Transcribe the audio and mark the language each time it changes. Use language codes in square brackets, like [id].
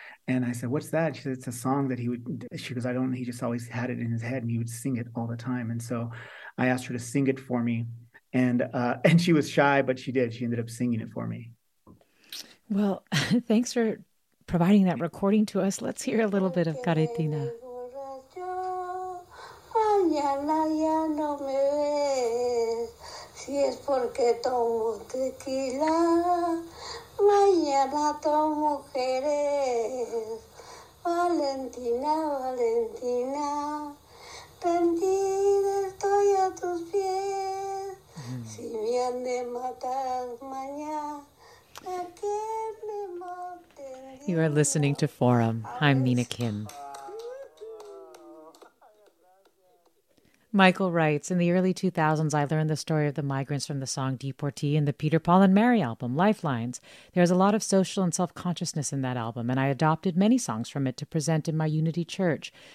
[en] And I said, what's that? She said, it's a song that he would, she goes, I don't know. He just always had it in his head and he would sing it all the time. And so I asked her to sing it for me. And she was shy, but she did. She ended up singing it for me. Well, thanks for providing that recording to us. Let's hear a little bit of Caritina. [es] Mañana ya no me ves, si es porque tomo tequila. Mañana tomo Jerez, Valentina, Valentina. Tendida estoy a tus pies, si me han de matar mañana, ¿a qué me maten? [en] You are listening to Forum. I'm Mina Kim. Michael writes, in the early 2000s, I learned the story of the migrants from the song Deportee in the Peter, Paul and Mary album, Lifelines. There is a lot of social and self-consciousness in that album, and I adopted many songs from it to present in my Unity Church.